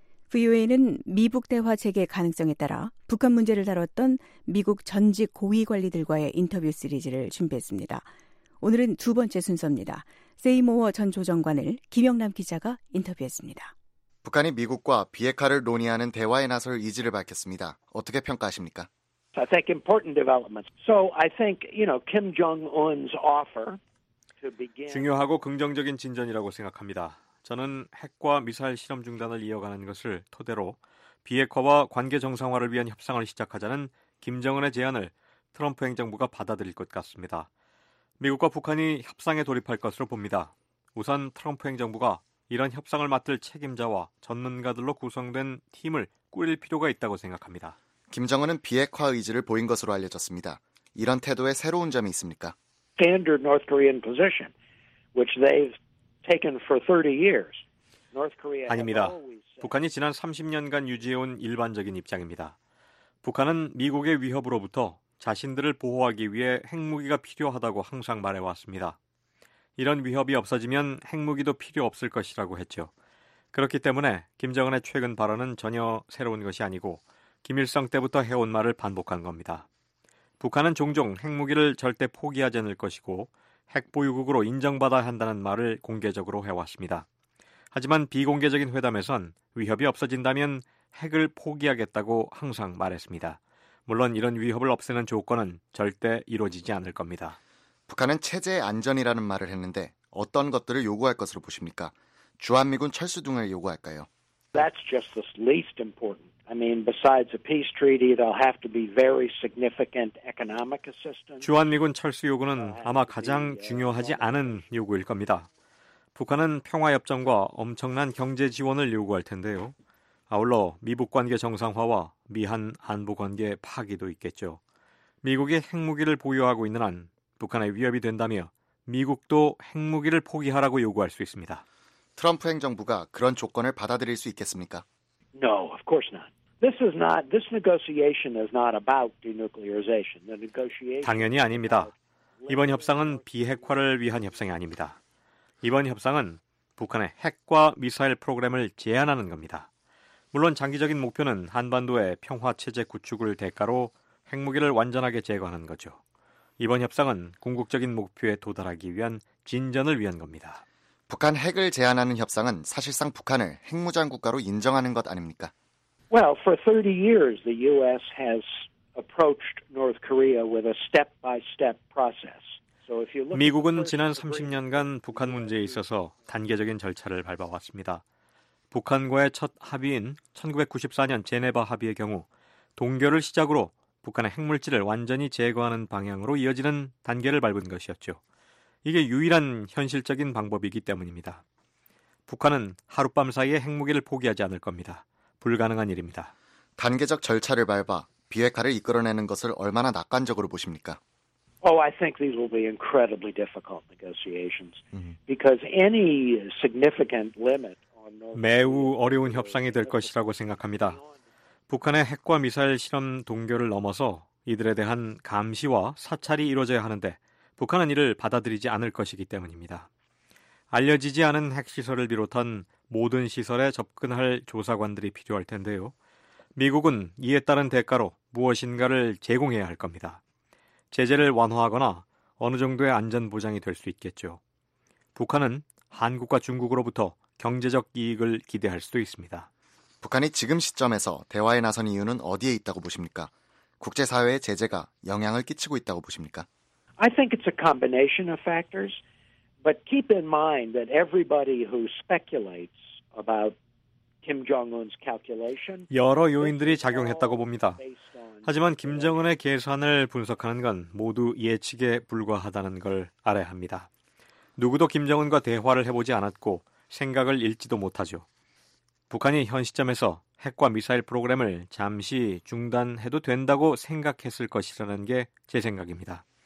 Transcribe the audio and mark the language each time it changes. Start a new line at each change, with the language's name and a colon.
Korean: VOA는 미북 대화 재개 가능성에 따라 북한 문제를 다뤘던 미국 전직 고위 관리들과의 인터뷰 시리즈를 준비했습니다. 오늘은 두 번째 순서입니다. 세이모어 전 조정관을 김영남 기자가 인터뷰했습니다. 북한이 미국과 비핵화를 논의하는 대화에 나설 의지를 밝혔습니다. 어떻게 평가하십니까?
English: I think important developments. So I think, you know, Kim Jong-un's offer
Korean: 중요하고 긍정적인 진전이라고 생각합니다. 저는 핵과 미사일 실험 중단을 이어가는 것을 토대로 비핵화와 관계 정상화를 위한 협상을 시작하자는 김정은의 제안을 트럼프 행정부가 받아들일 것 같습니다. 미국과 북한이 협상에 돌입할 것으로 봅니다. 우선 트럼프 행정부가 이런 협상을 맡을 책임자와 전문가들로 구성된 팀을 꾸릴 필요가 있다고 생각합니다. 김정은은 비핵화 의지를 보인 것으로 알려졌습니다. 이런 태도에 새로운 점이 있습니까?
English: Standard North Korean position, which they've taken for 30 years. North Korea.
Korean: 아닙니다. 북한이 지난 30년간 유지해온 일반적인 입장입니다. 북한은 미국의 위협으로부터 자신들을 보호하기 위해 핵무기가 필요하다고 항상 말해왔습니다. 이런 위협이 없어지면 핵무기도 필요 없을 것이라고 했죠. 그렇기 때문에 김정은의 최근 발언은 전혀 새로운 것이 아니고 김일성 때부터 해온 말을 반복한 겁니다. 북한은 종종 핵무기를 절대 포기하지 않을 것이고 핵보유국으로 인정받아야 한다는 말을 공개적으로 해왔습니다. 하지만 비공개적인 회담에선 위협이 없어진다면 핵을 포기하겠다고 항상 말했습니다. 물론 이런 위협을 없애는 조건은 절대 이루어지지 않을 겁니다. 북한은 체제의 안전이라는 말을 했는데 어떤 것들을 요구할 것으로 보십니까? 주한미군 철수 등을 요구할까요?
English: That's just the least important. I mean, besides a peace treaty, there'll have to be very significant economic assistance.
Korean: 주한미군 철수 요구는 아마 가장 중요하지 않은 요구일 겁니다. 북한은 평화협정과 엄청난 경제 지원을 요구할 텐데요. 아울러 미북 관계 정상화와 미한 안보 관계 파기도 있겠죠. 미국이 핵무기를 보유하고 있는 한 북한의 위협이 된다며 미국도 핵무기를 포기하라고 요구할 수 있습니다. 트럼프 행정부가 그런 조건을 받아들일 수 있겠습니까?
English: No, of course not. This negotiation is not about denuclearization. The negotiation
Korean: 당연히 아닙니다. 이번 협상은 비핵화를 위한 협상이 아닙니다. 이번 협상은 북한의 핵과 미사일 프로그램을 제한하는 겁니다. 물론 장기적인 목표는 한반도의 평화체제 구축을 대가로 핵무기를 완전하게 제거하는 거죠. 이번 협상은 궁극적인 목표에 도달하기 위한 진전을 위한 겁니다. 북한 핵을 제한하는 협상은 사실상 북한을 핵무장 국가로 인정하는 것 아닙니까?
English: Well, for 30 years, the U.S. has approached North Korea with a step-by-step process.
Korean: 미국은 지난 30년간 북한 문제에 있어서 단계적인 절차를 밟아왔습니다. 북한과의 첫 합의인 1994년 제네바 합의의 경우 동결을 시작으로 북한의 핵물질을 완전히 제거하는 방향으로 이어지는 단계를 밟은 것이었죠. 이게 유일한 현실적인 방법이기 때문입니다. 북한은 하룻밤 사이에 핵무기를 포기하지 않을 겁니다. 불가능한 일입니다. 단계적 절차를 밟아 비핵화를 이끌어내는 것을 얼마나 낙관적으로 보십니까?
English: Oh, I think these will be incredibly difficult negotiations because any significant limit on
Korean: 매우 어려운 협상이 될 것이라고 생각합니다. 북한의 핵과 미사일 실험 동결을 넘어서 이들에 대한 감시와 사찰이 이루어져야 하는데 북한은 이를 받아들이지 않을 것이기 때문입니다. 알려지지 않은 핵 시설을 비롯한 모든 시설에 접근할 조사관들이 필요할 텐데요. 미국은 이에 따른 대가로 무엇인가를 제공해야 할 겁니다. 제재를 완화하거나 어느 정도의 안전 보장이 될 수 있겠죠. 북한은 한국과 중국으로부터 경제적 이익을 기대할 수도 있습니다. 북한이 지금 시점에서 대화에 나선 이유는 어디에 있다고 보십니까? 국제사회의 제재가 영향을 끼치고 있다고 보십니까?
English: I think it's a combination of factors, but keep in mind that everybody who speculates about Kim Jong-un's calculation
Korean: 여러 요인들이 작용했다고 봅니다. 하지만 김정은의 계산을 분석하는 건 모두 예측에 불과하다는 걸 알아야 합니다. 누구도 김정은과 대화를 해보지 않았고 생각을 읽지도 못하죠. 북한이 현 시점에서 핵과 미사일 프로그램을 잠시 중단해도 된다고 생각했을 것이라는 게 제 생각입니다.